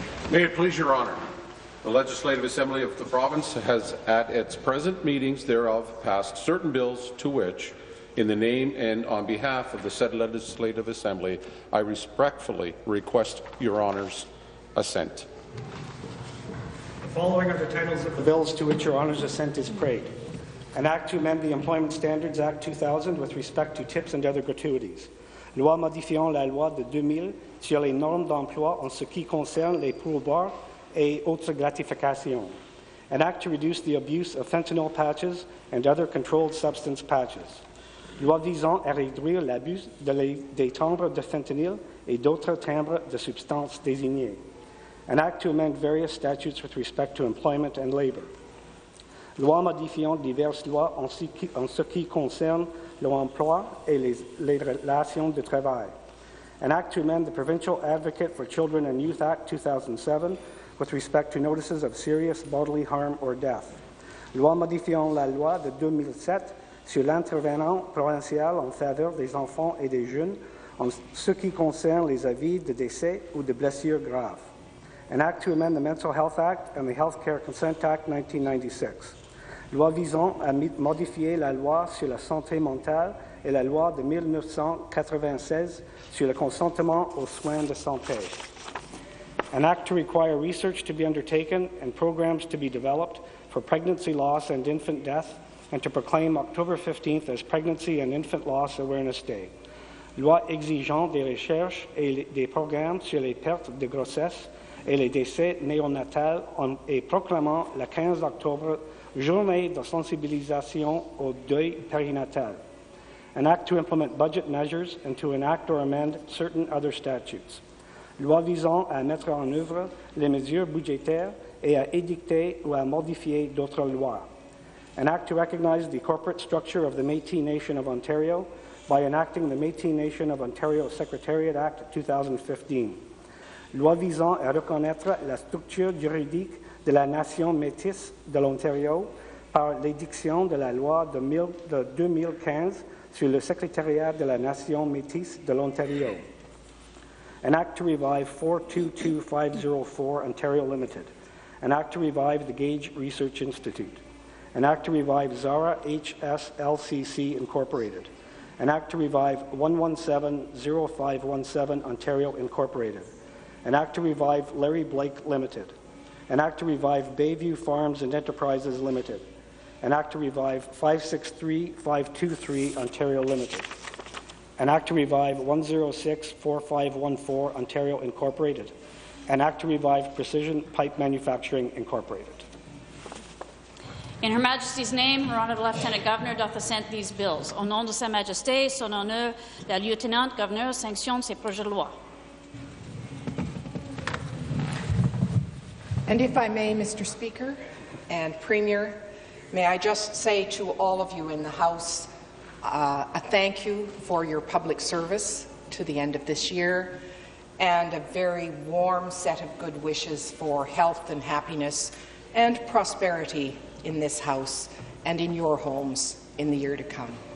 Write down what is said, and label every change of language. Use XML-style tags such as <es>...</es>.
<en>May it please Your Honor, the Legislative Assembly of the province has at its present meetings thereof passed certain bills to which, in the name and on behalf of the said Legislative Assembly, I respectfully request Your Honor's assent. The following are the titles of the bills to which Your Honor's assent is prayed. An Act to amend the Employment Standards Act 2000 with respect to tips and other gratuities.</en> <fr>Loi modifiant la loi de 2000 sur les normes d'emploi en ce qui concerne les pourboires et autres gratifications.</fr> <en>An Act to reduce the abuse of fentanyl patches and other controlled substance patches.</en> <fr>Loi visant à réduire l'abus des timbres de fentanyl et d'autres timbres de substances désignées.</fr> <en>An Act to amend various statutes with respect to employment and labor.</en> <fr>Loi modifiant diverses lois en ce qui concerne l'emploi et les relations de travail.</fr> <en>An Act to amend the Provincial Advocate for Children and Youth Act 2007 with respect to notices of serious bodily harm or death.</en> <fr>Loi modifiant la loi de 2007 sur l'intervenant provincial en faveur des enfants et des jeunes en ce qui concerne les avis de décès ou de blessures graves.</fr> <en>An Act to amend the Mental Health Act and the Health Care Consent Act 1996.</en> <fr>Loi visant à modifier la loi sur la santé mentale et la loi de 1996 sur le consentement aux soins de santé.</fr> <en>An Act to require research to be undertaken and programs to be developed for pregnancy loss and infant death and to proclaim October 15th as Pregnancy and Infant Loss Awareness Day.</en> <fr>Loi exigeant des recherches et des programmes sur les pertes de grossesse et les décès néonatales et proclamant le 15 octobre Journée de sensibilisation au deuil périnatal.</fr> <en>An Act to implement budget measures and to enact or amend certain other statutes.</en> <fr>Loi visant à mettre en œuvre les mesures budgétaires et à édicter ou à modifier d'autres lois.</fr> <en>An Act to recognize the corporate structure of the Métis Nation of Ontario by enacting the Métis Nation of Ontario Secretariat Act 2015.</en> <fr>Loi visant à reconnaître la structure juridique de la Nation métisse de l'Ontario par l'édiction de la loi de 2015 sur le secrétariat de la Nation métisse de l'Ontario.</fr> <en>An Act to revive 422504 Ontario Limited. An Act to revive the Gage Research Institute. An Act to revive Zara HSLCC Incorporated. An Act to revive 1170517 Ontario Incorporated. An Act to revive Larry Blake Limited. An Act to revive Bayview Farms and Enterprises Limited. An Act to revive 563523 Ontario Limited. An Act to revive 1064514 Ontario Incorporated. An Act to revive Precision Pipe Manufacturing Incorporated. In Her Majesty's name, Her Honour the Lieutenant Governor doth assent these bills.</en> <fr>Au nom de Sa Majesté, son honneur, la Lieutenant Governor sanctionne ces projets de loi.</fr> <en>And if I may, Mr. Speaker and Premier, may I just say to all of you in the House a thank you for your public service to the end of this year and a very warm set of good wishes for health and happiness and prosperity in this House and in your homes in the year to come.</en>